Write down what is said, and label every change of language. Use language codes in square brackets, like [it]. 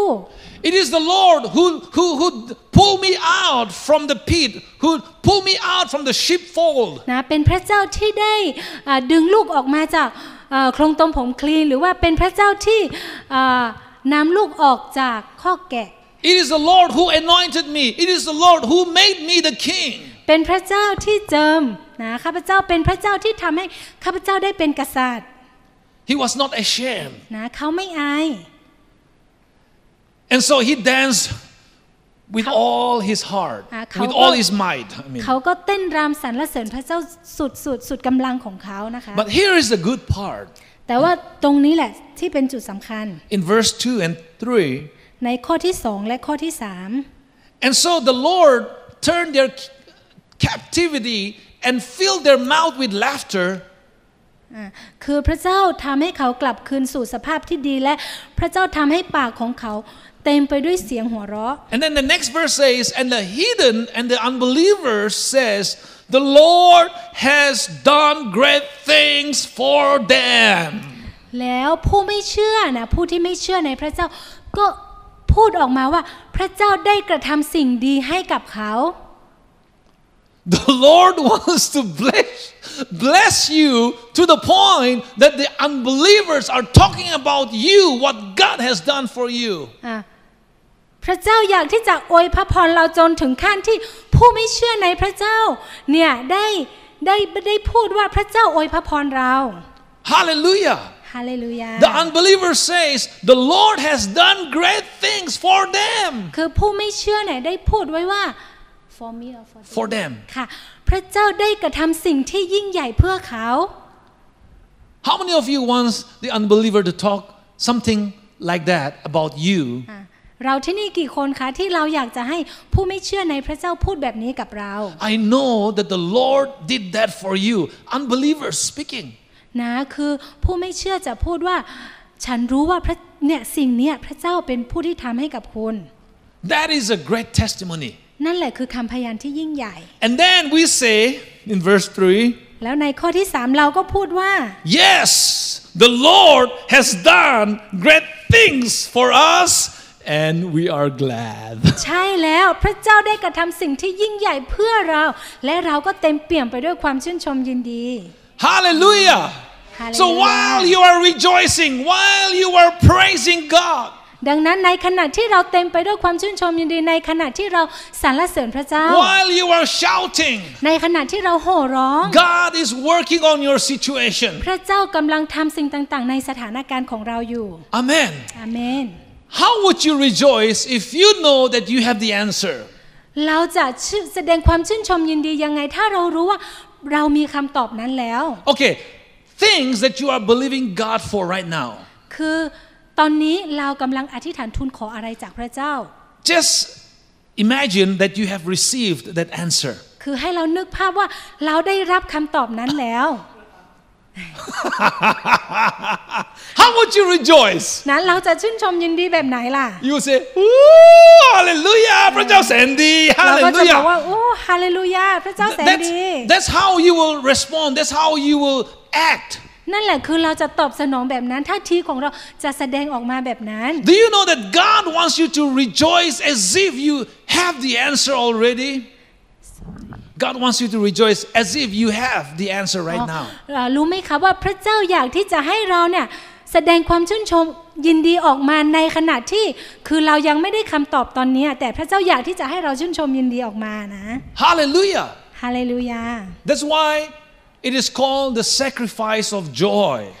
[en] It is the Lord who pull me out from the pit who pull me out from the sheepfold [th] นะเป็นพระเจ้าที่ได้ดึงลูกออกมาจากโคลงตมผมคลีนหรือว่าเป็นพระเจ้าที่นำลูกออกจากข้อแกะ [en] It is the Lord who anointed me It is the Lord who made me the king [th] เป็นพระเจ้าที่เจิมนะข้าพเจ้าเป็นพระเจ้าที่ทำให้ข้าพเจ้าได้เป็นกษัตริย์ [en] He was not ashamed. [th] นะเขาไม่อาย [en] And so he danced with all his heart, with all his might. [th] เขาก็เต้นรำสรรเสริญพระเจ้าสุดกำลังของเขานะคะ [en] But here is the good part. [th] แต่ว่าตรงนี้แหละที่เป็นจุดสำคัญ [en] In verse 2 and 3. [th] ในข้อที่2และข้อที่3. [en] And so the Lord turned their captivity and filled their mouth with laughter. [th] คือพระเจ้าทำให้เขากลับคืนสู่สภาพที่ดีและพระเจ้าทำให้ปากของเขาเต็มไปด้วยเสียงหัวเราะ [en] And then the next verse says and the heathen and the unbelievers says the Lord has done great things for them [th] แล้วผู้ไม่เชื่อนะผู้ที่ไม่เชื่อในพระเจ้าก็พูดออกมาว่าพระเจ้าได้กระทำสิ่งดีให้กับเขา [en] The Lord wants to bless you to the point that the unbelievers are talking about you, what God has done for you. [th] พระเจ้าอยากที่จะอวยพระพรเราจนถึงขั้นที่ผู้ไม่เชื่อในพระเจ้าเนี่ยได้พูดว่าพระเจ้าอวยพระพรเรา [en] Hallelujah. Hallelujah. The unbeliever says the Lord has done great things for them. [th] คือผู้ไม่เชื่อเนี่ยได้พูดไว้ว่า [en] For me or for them. For them. [th] ค่ะพระเจ้าได้กระทำสิ่งที่ยิ่งใหญ่เพื่อเขา [en] How many of you wants the unbeliever to talk something like that about you? [th] เราที่นี่กี่คนคะที่เราอยากจะให้ผู้ไม่เชื่อในพระเจ้าพูดแบบนี้กับเรา [en] I know that the Lord did that for you, unbeliever speaking. [th] นะคือผู้ไม่เชื่อจะพูดว่าฉันรู้ว่าเนี่ยสิ่งนี้พระเจ้าเป็นผู้ที่ทำให้กับคุณ [en] That is a great testimony. [th] นั่นแหละคือคำพยานที่ยิ่งใหญ่ [en] And then we say in verse 3 [th] แล้วในข้อที่3เราก็พูดว่า [en] Yes the Lord has done great things for us and we are glad [th] ใช่แล้วพระเจ้าได้กระทำสิ่งที่ยิ่งใหญ่เพื่อเราและเราก็เต็มเปี่ยมไปด้วยความชื่นชมยินดี [en] Hallelujah So while you are rejoicing while you are praising God [th] ดังนั้นในขณะที่เราเต็มไปด้วยความชื่นชมยินดีในขณะที่เราสรรเสริญพระเจ้า [en] While you are shouting [th] ในขณะที่เราโห่ร้อง [en] God is working on your situation [th] พระเจ้ากำลังทำสิ่งต่างๆในสถานการณ์ของเราอยู่ [en] Amen Amen How would you rejoice if you know that you have the answer [th] เราจะแสดงความชื่นชมยินดียังไงถ้าเรารู้ว่าเรามีคำตอบนั้นแล้ว [en] Okay things that you are believing God for right now [th] คือตอนนี้เรากำลังอธิษฐานทูลขออะไรจากพระเจ้า [en] Just imagine that you have received that answer [th] คือให้เรานึกภาพว่าเราได้รับคำตอบนั้นแล้ว [en] How would you rejoice [th] นั้นเราจะชื่นชมยินดีแบบไหนล่ะ [en] You say Ooh Hallelujah [th] พระเจ้าแสนดี [en] Hallelujah [th] เราก็จะบอกว่า Ooh Hallelujah พระเจ้าแสนดี [en] That's how you will respond That's how you will act [th] นั่นแหละคือเราจะตอบสนองแบบนั้นท่าทีของเราจะแสดงออกมาแบบนั้น [en] Do you know that God wants you to rejoice as if you have the answer already? God wants you to rejoice as if you have the answer right now. [th] รู้ไหมคะว่าพระเจ้าอยากที่จะให้เราเนี่ยแสดงความชื่นชมยินดีออกมาในขณะที่คือเรายังไม่ได้คำตอบตอนนี้แต่พระเจ้าอยากที่จะให้เราชื่นชมยินดีออกมานะ [en] Hallelujah. Hallelujah. That's why. It is called the sacrifice of joy.